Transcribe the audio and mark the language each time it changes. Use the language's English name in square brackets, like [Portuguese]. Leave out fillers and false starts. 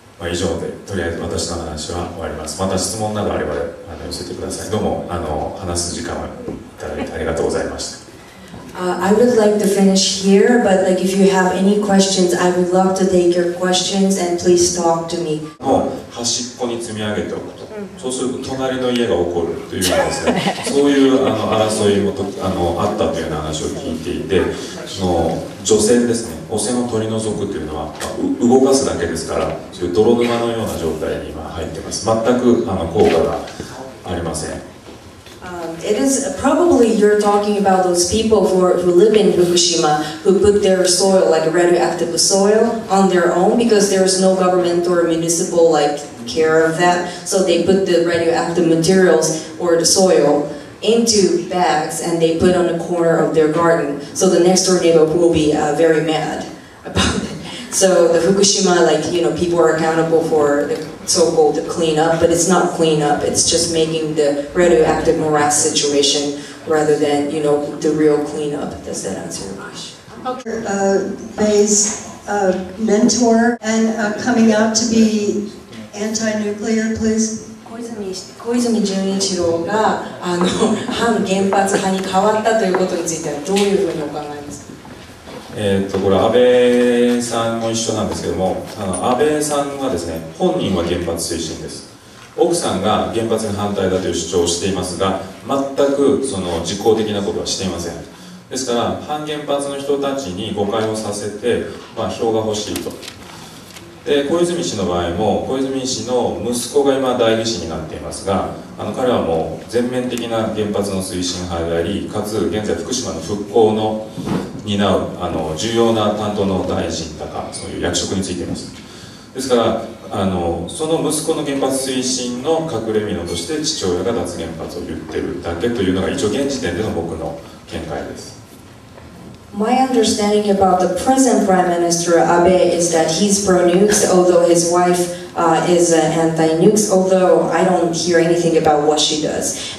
[Japanese] 以上で、とりあえず私の話は終わります。また質問などあれば寄せてください。どうも話す時間をいただいてありがとうございました。 [English] I would like to finish here, but like if you have any questions, I would love to take your questions and please talk to me. [Japanese] 端っこに積み上げておくと、そうすると隣の家が怒るというようなですね、そういう争いもあったというような話を聞いていて、その除染ですね、汚染を取り除くというのは、動かすだけですから、そういう泥沼のような状態に今入っています。全く効果がありません。 [English] It is probably you're talking about those people who live in Fukushima who put their soil, like radioactive soil, on their own because there is no government or municipal like care of that. So they put the radioactive materials or the soil into bags and they put on the corner of their garden. So the next door neighbor will be very mad about it. So the Fukushima, like, you know, people are accountable for the so-called cleanup, but it's not cleanup, it's just making the radioactive morass situation rather than, you know, the real cleanup. Does that answer your question? Okay. Bay's mentor and coming out to be anti-nuclear, please. [Japanese] 小泉純一郎が反原発派に変わったということについてはどういうふうにお考えですか？これ安倍さんも一緒なんですけども、安倍さんはですね、本人は原発推進です。奥さんが原発に反対だという主張をしていますが、全くその実効的なことはしていません。ですから反原発の人たちに誤解をさせて、まあ、票が欲しいと。で、小泉氏の場合も、小泉氏の息子が今代議士になっていますが、彼はもう全面的な原発の推進派であり、かつ現在福島の復興の担う重要な担当の大臣だか、そういう役職についています。ですから、その息子の原発推進の隠れ蓑として父親が脱原発を言っているだけというのが一応現時点での僕の見解です。 [English] My understanding about the present Prime Minister Abe is that he's pro-nukes, although his wife is anti-nukes, although I don't hear anything about what she does.